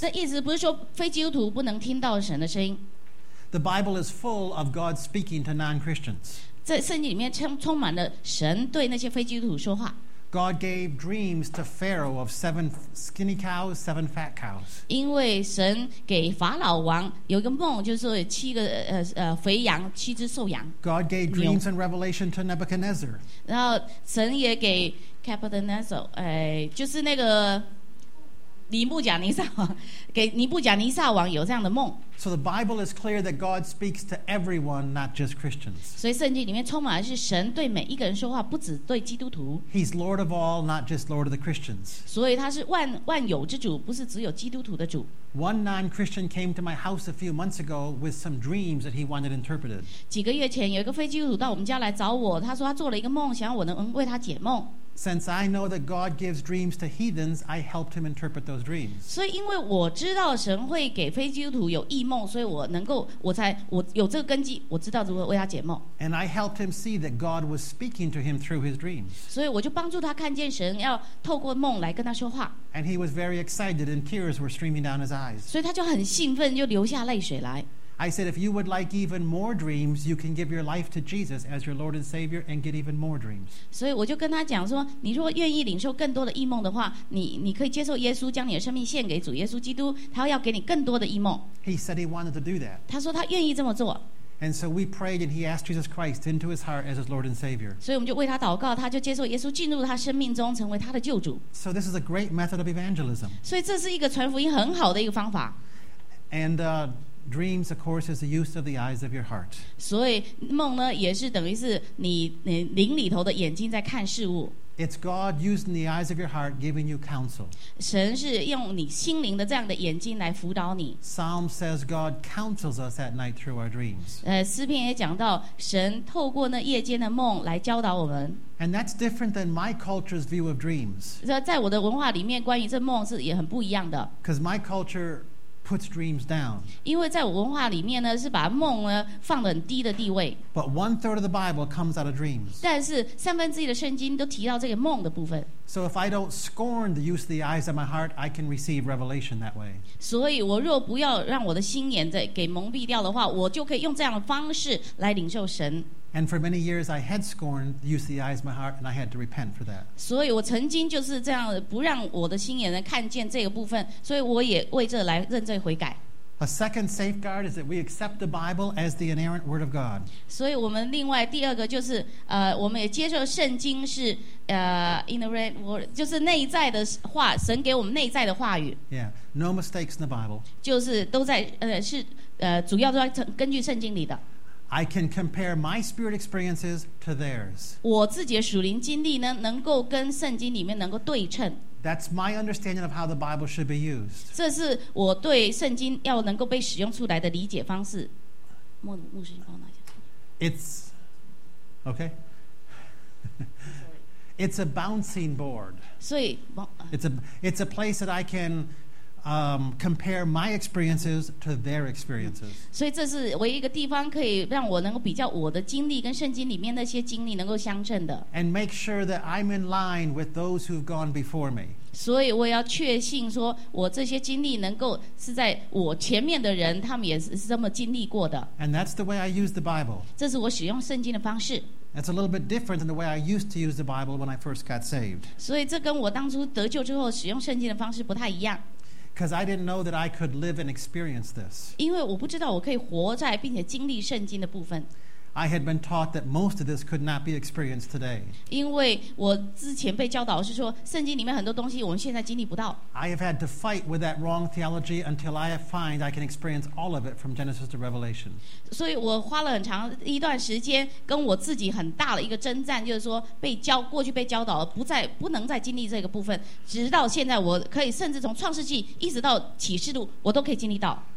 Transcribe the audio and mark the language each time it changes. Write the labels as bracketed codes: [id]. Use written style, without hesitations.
[zh] 这意思不是说非基督徒不能听到神的声音。 [en] The Bible is full of God speaking to non-Christians. [zh] 在圣经里面充满了神对那些非基督徒说话。 [en] God gave dreams to Pharaoh of 7 skinny cows, 7 fat cows. [zh] 因为神给法老王有一个梦，就是有7个肥羊，7只瘦羊。 [en] God gave dreams and revelation to Nebuchadnezzar. [zh] 然后神也给 Nebuchadnezzar， 就是那个尼布甲尼撒王有这样的梦。 [en] So the Bible is clear that God speaks to everyone, not just Christians. [zh] 所以圣经里面充满的是神对每一个人说话，不只对基督徒。 [en] He's Lord of all, not just Lord of the Christians. [zh] 所以他是万有之主，不是只有基督徒的主。 [en] One non-Christian came to my house a few months ago with some dreams that he wanted interpreted. [zh] 几个月前，有一个非基督徒到我们家来找我，他说他做了一个梦，想要我能为他解梦。 [en] Since I know that God gives dreams to heathens, I helped him interpret those dreams. [zh] 所以因为我知道神会给非基督徒有异梦，所以我有这个根基，我知道如何为他解梦。 [en] And I helped him see that God was speaking to him through his dreams. [zh] 所以我就帮助他看见神要透过梦来跟他说话。 [en] And he was very excited, and tears were streaming down his eyes. [zh] 所以他就很兴奋，就流下泪水来。 [en] I said, if you would like even more dreams, you can give your life to Jesus as your Lord and Savior and get even more dreams. [zh] 所以我就跟他讲说，你如果愿意领受更多的异梦的话，你可以接受耶稣，将你的生命献给主耶稣基督，他要给你更多的异梦。 [en] He said he wanted to do that. [zh] 他说他愿意这么做。 [en] And so we prayed and he asked Jesus Christ into his heart as his Lord and Savior. [zh] 所以我们就为他祷告，他就接受耶稣进入他生命中，成为他的救主。 [en] So this is a great method of evangelism. [zh] 所以这是一个传福音很好的一个方法。 [en] And dreams, of course, is the use of the eyes of your heart. [zh] 所以梦呢，也是等于是你灵里头的眼睛在看事物。 [en] It's God using the eyes of your heart, giving you counsel. [zh] 神是用你心灵的这样的眼睛来辅导你。 [en] Psalm says God counsels us at night through our dreams. [zh] 诗篇也讲到神透过那夜间的梦来教导我们。 [en] And that's different than my culture's view of dreams. [zh] 在我的文化里面，关于这梦是也很不一样的。 [en] Because my culture puts dreams down. [zh] 因为在我文化里面呢，是把梦呢放得很低的地位。 [en] But one third of the Bible comes out of dreams. [zh] 但是三分之一的圣经都提到这个梦的部分。 [en] So if I don't scorn the use of the eyes of my heart, I can receive revelation that way. [zh] 所以我若不要让我的心眼在给蒙蔽掉的话，我就可以用这样的方式来领受神。 [en] And for many years, I had scorned the use of the eyes of my heart, and I had to repent for that. [zh] 所以我曾经就是这样，不让我的心眼能看见这个部分，所以我也为这来认罪悔改。 [en] A second safeguard is that we accept the Bible as the inerrant word of God. [zh] 所以我们另外第二个就是，我们也接受圣经是 [en] inerrant word， [zh] 就是内在的话，神给我们内在的话语。 [en] Yeah, no mistakes in the Bible. [zh] 就是都在是主要都在根据圣经里的。 [en] I can compare my spirit experiences to theirs. [zh] 我自己的属灵经历呢，能够跟圣经里面能够对称。 [en] That's my understanding of how the Bible should be used. [zh] 这是我对圣经要能够被使用出来的理解方式。牧师，你帮我拿一下。 [en] It's okay. It's a bouncing board. [zh] 所以 [en] it's a place that I can. Compare my experiences to their experiences. [zh] 所以这是唯一一个地方可以让我能够比较我的经历跟圣经里面那些经历能够相称的。 [en] And make sure that I'm in line with those who've gone before me. [zh] 所以我要确信说我这些经历能够是在我前面的人他们也是这么经历过的。 [en] And that's the way I use the Bible. [zh] 这是我使用圣经的方式。 [en] That's a little bit different than the way I used to use the Bible when I first got saved. [zh] 所以这跟我当初得救之后使用圣经的方式不太一样。 [en] Because I didn't know that I could live and experience this. [zh] 因为我不知道我可以活在并且经历圣经的部分。 [en] I had been taught that most of this could not be experienced today. [zh] 因为我之前被教导是说圣经里面很多东西我们现在经历不到。 [en] I have had to fight with that wrong theology until I find I can experience all of it from Genesis to Revelation. [zh] 所以我花了很长一段时间跟我自己很大的一个征战，就是说过去被教导了不能再经历这个部分，直到现在我可以甚至从创世纪一直到启示录我都可以经历到。